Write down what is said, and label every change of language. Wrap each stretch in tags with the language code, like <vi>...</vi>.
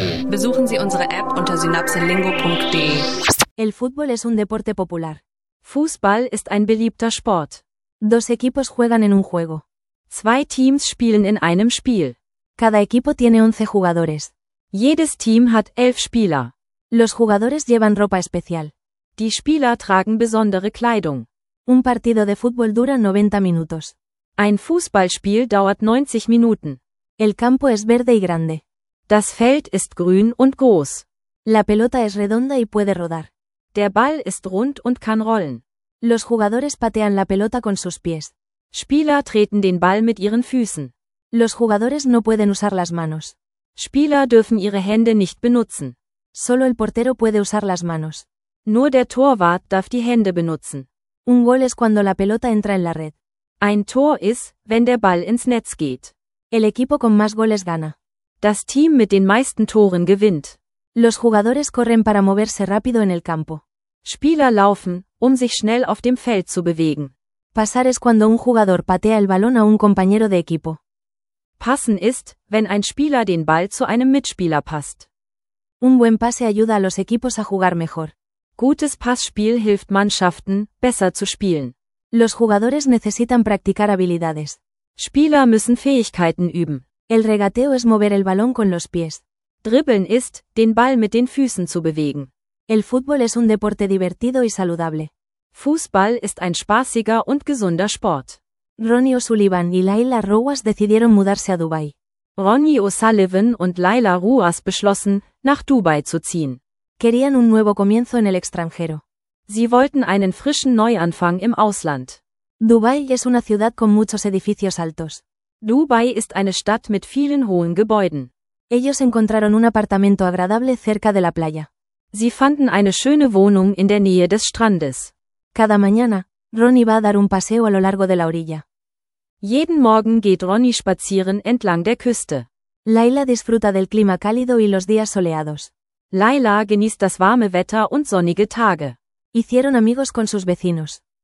<de>Besuchen Sie unsere App unter synapselingo.de.</de> <es>El fútbol es un deporte popular.</es> <de>Fußball ist ein beliebter Sport.</de> <es>Dos equipos juegan en un juego.</es> <de>Zwei Teams spielen in einem Spiel.</de> <es>Cada equipo tiene 11 jugadores.</es> <de>Jedes Team hat 11 Spieler.</de> <es>Los jugadores llevan ropa especial.</es> <de>Die Spieler tragen besondere Kleidung.</de> <es>Un partido de fútbol dura 90 minutos.</es> <de>Ein Fußballspiel dauert 90 Minuten.</de> <es>El campo es verde y grande.</es> <de>Das Feld ist grün und groß.</de> <es>La pelota es redonda y puede rodar.</es> <de>Der Ball ist rund und kann rollen.</de> <es>Los jugadores patean la pelota con sus pies.</es> <de>Spieler treten den Ball mit ihren Füßen.</de> <es>Los jugadores no pueden usar las manos.</es> <de>Spieler dürfen ihre Hände nicht benutzen.</de> <es>Solo el portero puede usar las manos.</es> <de>Nur der Torwart darf die Hände benutzen.</de> <es>Un gol es cuando la pelota entra en la red.</es> <de>Ein Tor ist, wenn der Ball ins Netz geht.</de> <es>El equipo con más goles gana.</es> <de>Das Team mit den meisten Toren gewinnt.</de> <es>Los jugadores corren para moverse rápido en el campo.</es> <de>Spieler laufen, um sich schnell auf dem Feld zu bewegen.</de> <es>Pasar es cuando un jugador patea el balón a un compañero de equipo.</es> <de>Passen ist, wenn ein Spieler den Ball zu einem Mitspieler passt.</de> <es>Un buen pase ayuda a los equipos a jugar mejor.</es> <de>Gutes Passspiel hilft Mannschaften, besser zu spielen.</de> <es>Los jugadores necesitan practicar habilidades.</es> <de>Spieler müssen Fähigkeiten üben.</de> <es>El regateo es mover el balón con los pies.</es> <de>Dribbeln ist, den Ball mit den Füßen zu bewegen.</de> <es>El fútbol es un deporte divertido y saludable.</es> <de>Fußball ist ein spaßiger und gesunder Sport.</de> <es>Ronnie O'Sullivan y Laila Ruas decidieron mudarse a Dubai.</es> <de>Ronnie O'Sullivan und Laila Ruas beschlossen, nach Dubai zu ziehen.</de> <es>Querían un nuevo comienzo en el extranjero.</es> <de>Sie wollten einen frischen Neuanfang im Ausland.</de> <es>Dubai es una ciudad con muchos edificios altos.</es> <de>Dubai ist eine Stadt mit vielen hohen Gebäuden.</de> <es>Ellos encontraron un apartamento agradable cerca de la playa.</es> <de>Sie fanden eine schöne Wohnung in der Nähe des Strandes.</de> <es>Cada mañana, Ronnie va a dar un paseo a lo largo de la orilla.</es> <de>Jeden Morgen geht Ronnie spazieren entlang der Küste.</de> <es>Laila disfruta del clima cálido y los días soleados.</es> <de>Laila genießt das warme Wetter und sonnige Tage.</de> <es>Hicieron amigos con sus vecinos.</es>